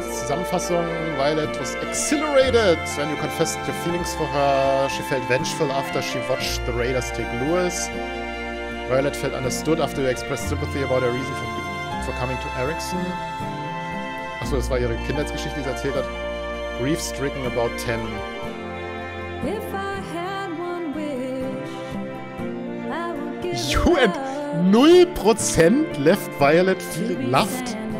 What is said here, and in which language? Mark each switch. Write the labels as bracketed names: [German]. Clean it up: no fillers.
[German] Zusammenfassung: [English] Violet was exhilarated when you confessed your feelings for her. She felt vengeful after she watched the Raiders take Lewis. Violet felt understood after you expressed sympathy about her reason for coming to Erickson. [German] Achso, das war ihre Kindheitsgeschichte, die sie erzählt hat. [English] Grief stricken about 10. If I had one wish, I would give you and 0% left Violet feeling loved.